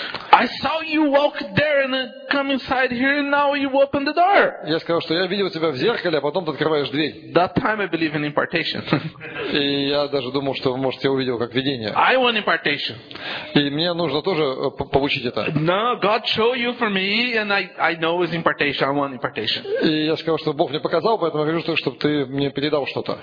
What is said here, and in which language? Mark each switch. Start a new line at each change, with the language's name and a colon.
English: I saw you walk there and come inside here and now you open the door.
Russian: Я сказал, что я видел тебя в зеркале, а потом ты открываешь дверь.
English: That time I believe in impartation.
Russian: И я даже думал, что может я увидел как видение.
English: I want impartation.
Russian: И мне нужно тоже получить это.
English: No, God show you for me and I know it's impartation. I want impartation.
Russian: И я сказал, что Бог мне показал, поэтому я хочу, чтобы ты мне передал что-то.